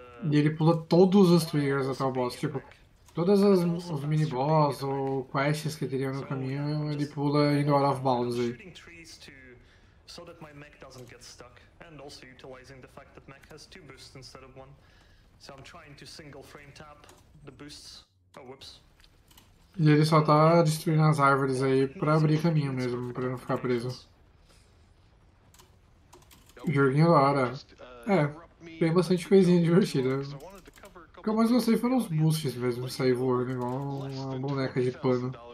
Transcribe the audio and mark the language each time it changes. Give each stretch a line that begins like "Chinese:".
Portuguese: E ele pula todos os triggers até o boss, tipo, todas as os mini boss ou quests que teriam no caminho, ele pula indo out of bounds aí.
English: Shooting trees to so that my mech doesn't get stuck, and also utilizing the fact that mech has two boosts instead of one. So I'm trying to single frame tap the boosts. Oh, whoops.
Portuguese: E ele só tá destruindo as árvores aí para abrir caminho mesmo, para não ficar preso. Joguinho da hora. É, tem bastante coisinha divertida. O que eu mais gostei foram os boosts mesmo, sair voando igual uma boneca de pano.